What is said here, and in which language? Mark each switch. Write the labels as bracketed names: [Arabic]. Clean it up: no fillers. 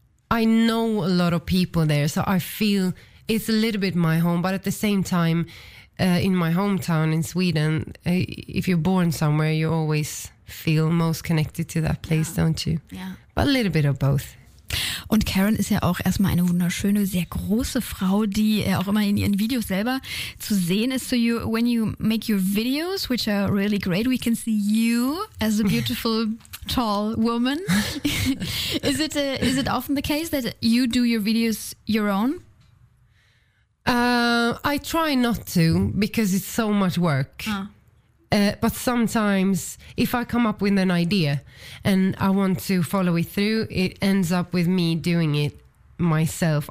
[English] I know a lot of people there, so I feel... It's a little bit my home, but at the same time, in my hometown in Sweden, if you're born somewhere, you always feel most connected to that place, yeah. don't you? Yeah. But a little bit of both. [German] Und Karen ist ja auch erstmal eine wunderschöne, sehr große Frau, die auch immer in ihren Videos selber zu sehen ist. [English] So you, when you make your videos, which are really great, we can see you as a beautiful, tall woman. Is it often the case that you do your videos your own? I try not to because it's so much work. But sometimes if I come up with an idea and I want to follow it through, it ends up with me doing it myself.